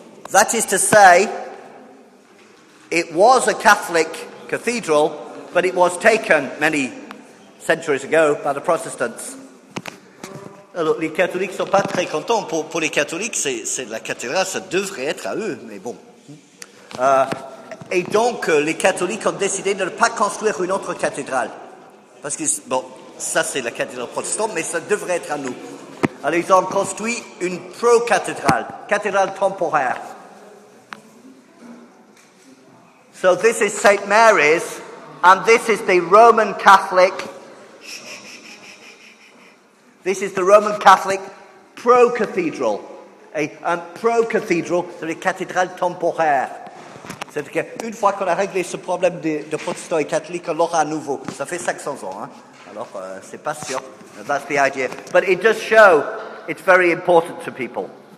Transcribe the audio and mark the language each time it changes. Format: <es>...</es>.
<en>That is to say, it was a Catholic cathedral, but it was taken many centuries ago by the Protestants.</en> <fr>Alors, les catholiques sont pas très contents. Pour les catholiques, c'est la cathédrale, ça devrait être à eux, mais bon. Et donc, les catholiques ont décidé de ne pas construire une autre cathédrale. Parce que, bon... Ça, c'est la cathédrale protestante, mais ça devrait être à nous. Alors, ils ont construit une pro-cathédrale, cathédrale temporaire.</fr> <en>So, this is St. Mary's, and this is the Roman Catholic... This is the Roman Catholic pro-cathédrale.</en> <fr>Un pro-cathédrale, c'est une cathédrale temporaire. C'est-à-dire qu'une fois qu'on a réglé ce problème de protestants et catholiques, on l'aura à nouveau. Ça fait 500 ans, hein? Alors, c'est pas sûr.</fr> <en>That's the idea. But it does show it's very important to people.</en>